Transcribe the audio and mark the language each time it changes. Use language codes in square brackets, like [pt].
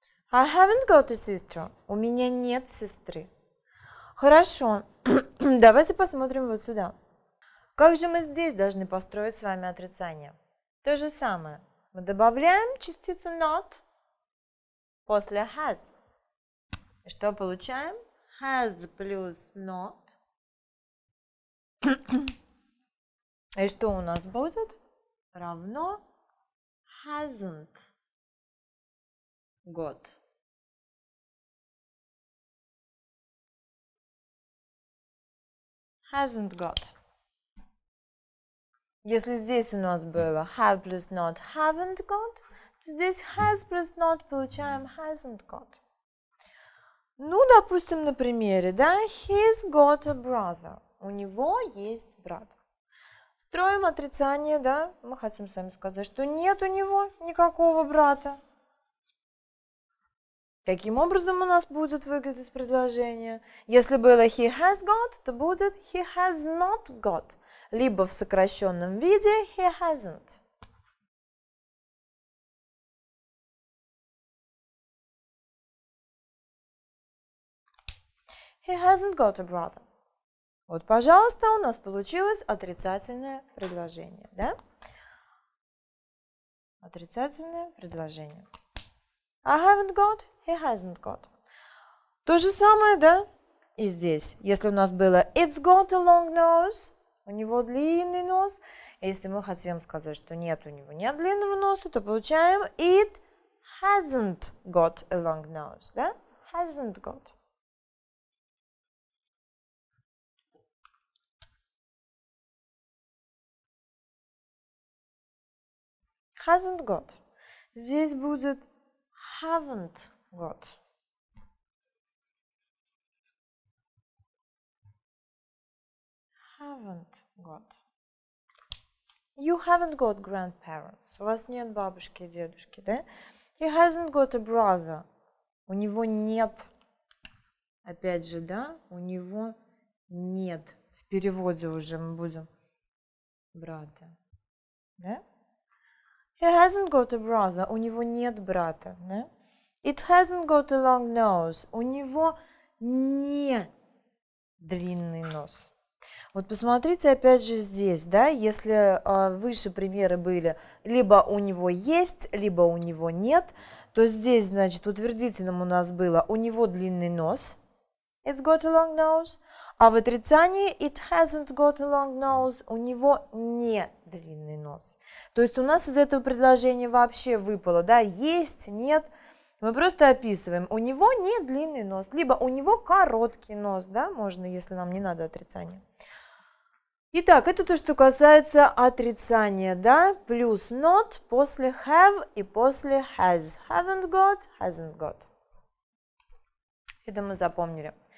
[en] I haven't got a sister. [ru] У меня нет сестры. Хорошо, давайте посмотрим вот сюда. Как же мы здесь должны построить с вами отрицание? То же самое. Мы добавляем частицу not после has. И что получаем? [en] Has [ru] плюс [en] not. [ru] И что у нас будет? Равно [en] hasn't got. Hasn't got. [ru] Если здесь у нас было have плюс not [en] haven't got, [ru] то здесь has плюс not получаем [en] hasn't got. [ru] Ну, допустим, на примере, да, [en] he's got a brother. [ru] У него есть брат. Строим отрицание, да, мы хотим с вами сказать, что нет у него никакого брата. Каким образом у нас будет выглядеть предложение? Если было [en] he has got, [ru] то будет [en] he has not got. [ru] Либо в сокращенном виде [en] he hasn't. He hasn't got a brother. [ru] Вот, пожалуйста, у нас получилось отрицательное предложение, да? Отрицательное предложение. [en] I haven't got, he hasn't got. [ru] То же самое, да, и здесь. Если у нас было [en] it's got a long nose, [ru] у него длинный нос, если мы хотим сказать, что нет, у него нет длинного носа, то получаем [en] it hasn't got a long nose, [ru] да? [en] Hasn't got. Hasn't got. [ru] Здесь будет [en] haven't got. Haven't got. You haven't got grandparents. [ru] У вас нет бабушки и дедушки, да? [en] He hasn't got a brother. [ru] У него нет. Опять же, да? У него нет. В переводе уже мы будем брата. Да? [en] He hasn't got a brother. [ru] У него нет брата. Да? [en] It hasn't got a long nose. [ru] У него не длинный нос. Вот посмотрите опять же здесь, да, если выше примеры были, либо у него есть, либо у него нет, то здесь, значит, утвердительным у нас было у него длинный нос. [en] It's got a long nose. [ru] А в отрицании [en] it hasn't got a long nose. [ru] У него не длинный нос. То есть у нас из этого предложения вообще выпало, да, есть, нет. Мы просто описываем, у него не длинный нос, либо у него короткий нос, да, можно, если нам не надо отрицание. Итак, это то, что касается отрицания, да, плюс not после have и после has. [en] Haven't got, hasn't got. [ru] Это мы запомнили.